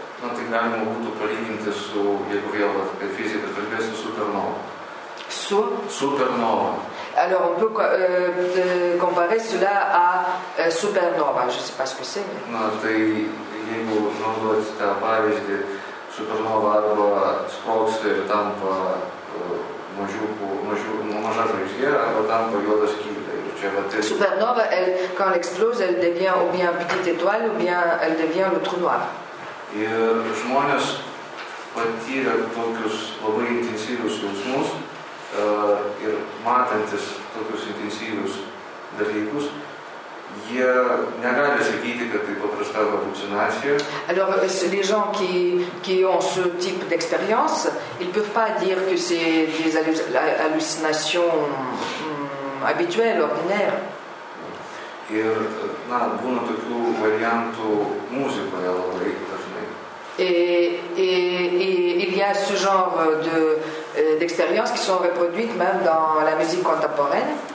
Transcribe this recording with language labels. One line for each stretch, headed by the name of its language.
Lithuanian: Na, tai galima būtų palyginti su, jeigu vėl apie fiziką kalbėsiu, supernova. Su? Supernova.
French: Alors, on peut comparer cela à supernova, je ne sais pas ce que c'est.
Lithuanian: Na, tai jeigu naudoti tą pavyzdį, supernova arba sprogsta ir tampa maža žvaigždė, arba tampa juoda skylė.
French: Supernova, quand elle explose, elle devient ou bien petite étoile, ou bien elle devient le trou noir.
Lithuanian: Ir žmonės patyrė tokius labai intensyvius jausmus ir matantis tokius intensyvius dalykus, jie negali sakyti, kad tai paprasta halucinacija.
French: Alors, les gens qui ont ce type d'expérience, ils ne peuvent pas dire que c'est des hallucinations habituelles, ordinaires.
Lithuanian: Ir na, būna tokių variantų muzikoje labai.
French: Et il y a ce genre d'expériences qui sont reproduites même dans la musique contemporaine.